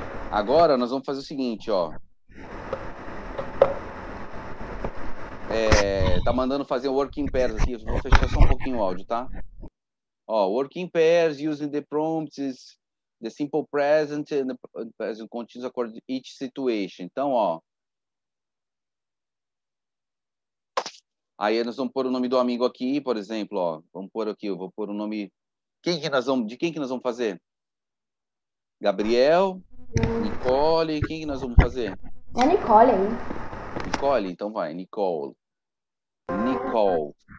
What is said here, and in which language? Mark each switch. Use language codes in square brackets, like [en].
[pt] Agora nós vamos fazer o seguinte, ó. Tá mandando fazer o work in pairs aqui. Vou fechar só um pouquinho o áudio, tá? [en] Ó, work in pairs, using the prompts, the simple present and the present continuous according to each situation. [pt] Então, ó. Aí nós vamos pôr o nome do amigo aqui, por exemplo, ó. Vamos pôr aqui, eu vou pôr o nome... De quem que nós vamos fazer? Gabriel? Nicole? Quem que nós vamos fazer? É Nicole aí. Nicole? Então vai, Nicole. Nicole.